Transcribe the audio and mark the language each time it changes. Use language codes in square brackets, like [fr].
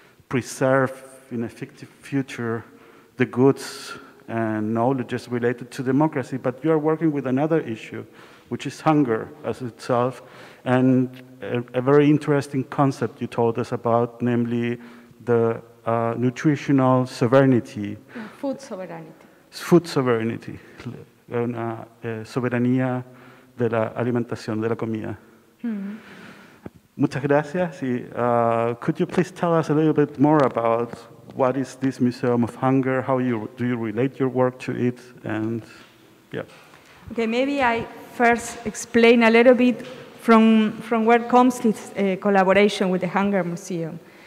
[en] preserve in a fictive future the goods and knowledge is related to democracy, but you are working with another issue, which is hunger as itself, and a very interesting concept you told us about, namely the nutritional sovereignty. Food sovereignty. Food sovereignty. [es] Una soberanía de la alimentación, de la comida. Muchas gracias. [en] Could you please tell us a little bit more about what is this Museum of Hunger? How do you relate your work to it? And yeah. Okay, maybe I first explain a little bit from where comes this collaboration with the Hunger Museum.